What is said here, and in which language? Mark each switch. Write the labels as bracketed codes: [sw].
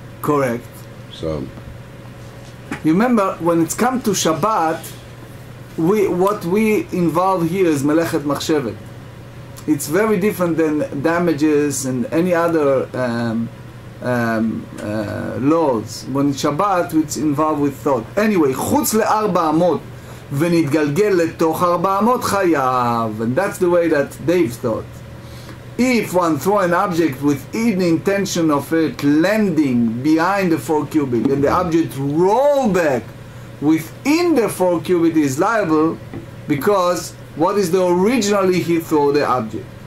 [en] Correct. So, you remember, when it's come to Shabbat, what we involve here is Melechet Machshevet. It's very different than damages and any other laws. When Shabbat, it's involved with thought. [he] Anyway, chutz le'arba amot, ונתגלגל לתוך ארבע אמות חייב. [en] And that's the way that they've thought. If one throw an object with the intention of it landing behind the four cubit, and the object roll back within the four cubit, is liable, because what is the originally he throw the object?